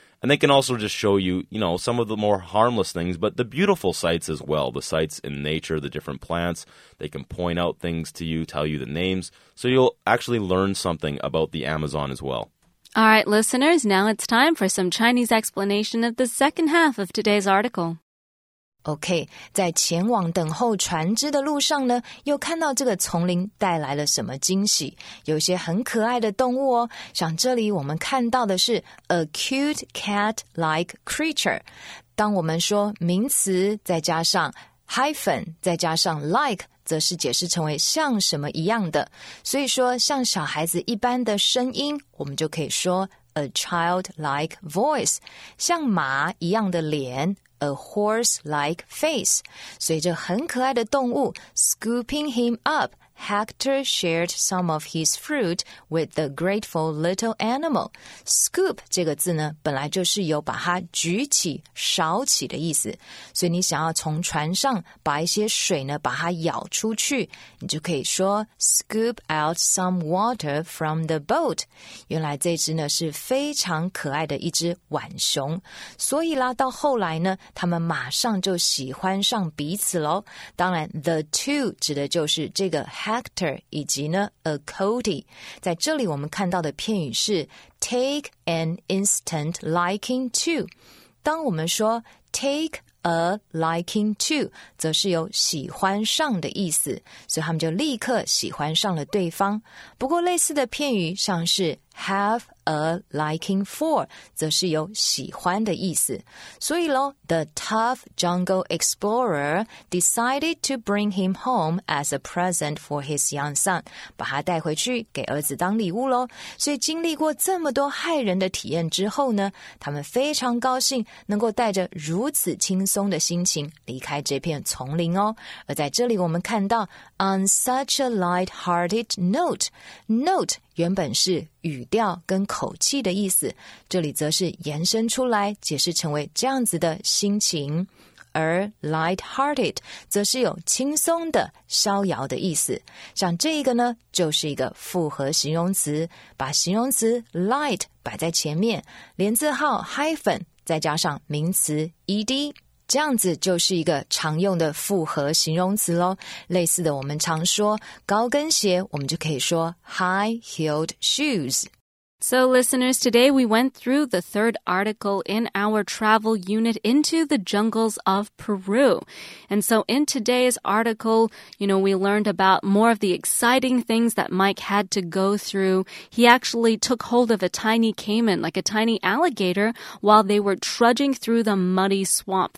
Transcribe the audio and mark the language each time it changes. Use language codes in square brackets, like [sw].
[en] And they can also just show you, you know, some of the more harmless things, but the beautiful sights as well, the sights in nature, the different plants. They can point out things to you, tell you the names, so you'll actually learn something about the Amazon as well. All right, listeners, now it's time for some Chinese explanation of the second half of today's article. [zh] OK, 在前往等候船只的路上呢，又看到这个丛林带来了什么惊喜？有些很可爱的动物哦，像这里我们看到的是 [en] a cute cat-like creature。 [zh] 当我们说名词再加上 hyphen 再加上 like， 则是解释成为像什么一样的。所以说，像小孩子一般的声音，我们就可以说 [en] a child-like voice， [zh] 像马一样的脸。 [en] A horse-like face. [zh] 随着很可爱的动物 [en] scooping him up, Hector shared some of his fruit with the grateful little animal. [zh] Scoop 这个字呢，本来就是有把它举起、勺起的意思。所以你想要从船上把一些水呢，把它舀出去，你就可以说 [en] scoop out some water from the boat. [zh] 原来这只呢是非常可爱的一只浣熊。所以啦，到后来呢，他们马上就喜欢上彼此咯。当然 ,the two 指的就是这个Hector 以及呢 a Cody， 在这里我们看到的片语是 [en] take an instant liking to。 [zh] 当我们说 take a liking to， 则是有喜欢上的意思，所以他们就立刻喜欢上了对方。不过类似的片语像是 [en] have a liking for， [zh] 则是有喜欢的意思。 [en] 所以咯 the tough jungle explorer decided to bring him home as a present for his young son， [zh] 把他带回去给儿子当礼物咯。所以经历过这么多骇人的体验之后呢，他们非常高兴能够带着如此轻松的心情离开这片丛林哦。而在这里我们看到 [en] on such a light-hearted note， [zh] note 原本是语调跟口气的意思，这里则是延伸出来解释成为这样子的心情。而 light-hearted 则是有轻松的、逍遥的意思。像这一个呢，就是一个复合形容词，把形容词 light 摆在前面，连字号 hyphen 再加上名词 ed。这样子就是一个常用的复合形容词咯。类似的，我们常说高跟鞋，我们就可以说 high-heeled shoes。 [en] So listeners, today we went through the third article in our travel unit into the jungles of Peru. And so in today's article, you know, we learned about more of the exciting things that Mike had to go through. He actually took hold of a tiny caiman, like a tiny alligator, while they were trudging through the muddy swamp.